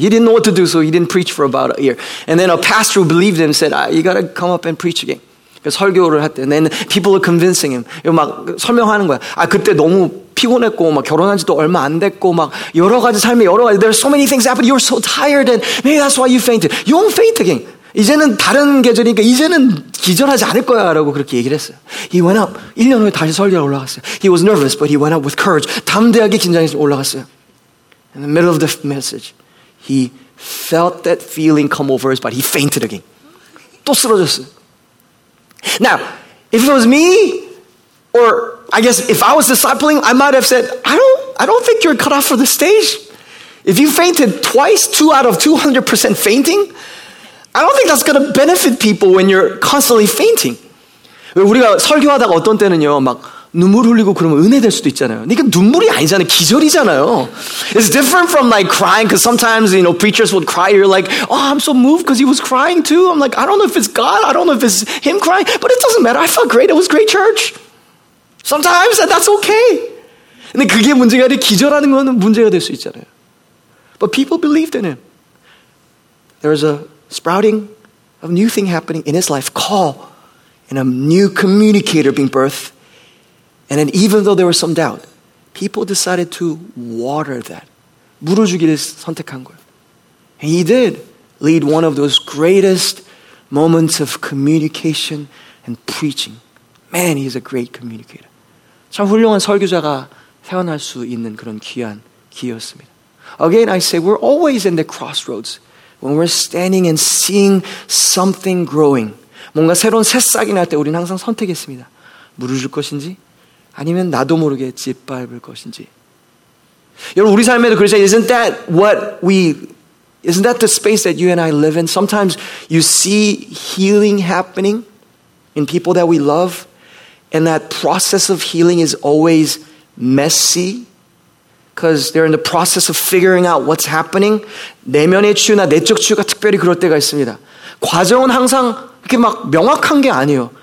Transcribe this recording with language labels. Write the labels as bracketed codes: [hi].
[en] He didn't know what to do, so he didn't preach for about a year. And then a pastor who believed him said, you gotta come up and preach again. [ko] 설교를 할 때. [en] And then people were convincing him. [ko] 막 설명하는 거야. 아, 그때 너무 피곤했고, 막 결혼한 지도 얼마 안 됐고, 막 여러 가지 삶에 여러 가지. [en] There's so many things happened. You're so tired and maybe that's why you fainted. You won't faint again. [ko] 이제는 다른 계절이니까 이제는 기절하지 않을 거야 라고 그렇게 얘기를 했어요. [en] He went up. [ko] 1년 후에 다시 설교를 올라갔어요. [en] He was nervous, but he went up with courage. [ko] 담대하게 긴장해서 올라갔어요. [en] In the middle of the message, he felt that feeling come over his body. He fainted again. [ko] 또 쓰러졌어요. [en] Now, if it was me, or I guess if I was discipling, I might have said, I don't think you're cut off for the stage. If you fainted twice, 2 out of 200% fainting, I don't think that's going to benefit people when you're constantly fainting. [ko] 우리가 설교하다가 어떤 때는요, 막 눈물 흘리고 그러면 은혜 될 수도 있잖아요. 이건 눈물이 아니잖아요. 기절이잖아요. [en] It's different from like crying, because sometimes, you know, preachers would cry. You're like, oh, I'm so moved because he was crying too. I'm like, I don't know if it's God. I don't know if it's him crying, but it doesn't matter. I felt great. It was great church. Sometimes that's okay. [ko] 근데 그게 문제가 아니라 기절하는 건 문제가 될 수 있잖아요. [en] But people believed in him. There was a sprouting of new thing happening in his life, call, and a new communicator being birthed. And then even though there was some doubt, people decided to water that. [ko] 물어주기를 선택한 거예요. [en] And he did lead one of those greatest moments of communication and preaching. Man, he's a great communicator. [ko] 참 훌륭한 설교자가 태어날 수 있는 그런 귀한 기회였습니다. [en] Again, I say, we're always in the crossroads. When we're standing and seeing something growing, [ko] 뭔가 새로운 새싹이 날 때 우리는 항상 선택했습니다. 물을 줄 것인지 아니면 나도 모르게 짓밟을 것인지. 여러분 우리 삶에도 그렇죠. [en] Isn't that the space that you and I live in? Sometimes you see healing happening in people that we love, and that process of healing is always messy. Because they're in the process of figuring out what's happening. [ko] 내면의 치유나 내적 치유가 특별히 그럴 때가 있습니다. 과정은 항상 이렇게 막 명확한 게 아니에요.